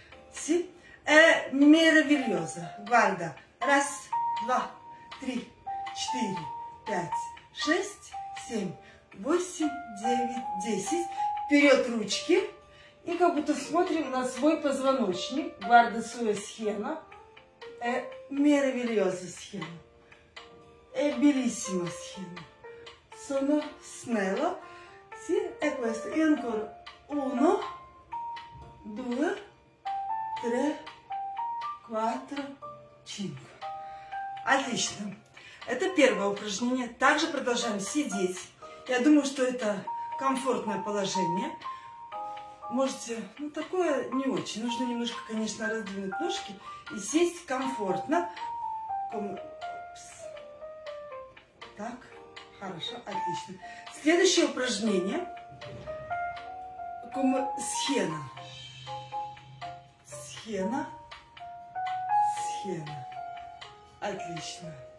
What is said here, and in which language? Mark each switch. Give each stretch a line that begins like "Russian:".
Italian: Sì, è meravigliosa. Guarda, 1, 2, 3, 4, 5, 6, 7, 8, 9, 10.
Russian: Вперед ручки и как будто смотрим на свой позвоночник.
Italian: Guarda sua schiena. È meravigliosa schiena, è bellissima schiena, sono snello, sì, è questo, e ancora, uno, due, tre, quattro, cinque,
Russian: отлично, это первое упражнение, также продолжаем сидеть, я думаю, что это комфортное положение, можете, ну такое не очень. Нужно немножко, конечно, раздвинуть ножки и сесть комфортно. Так, хорошо, отлично. Следующее упражнение. Схена. Схена. Схена. Отлично.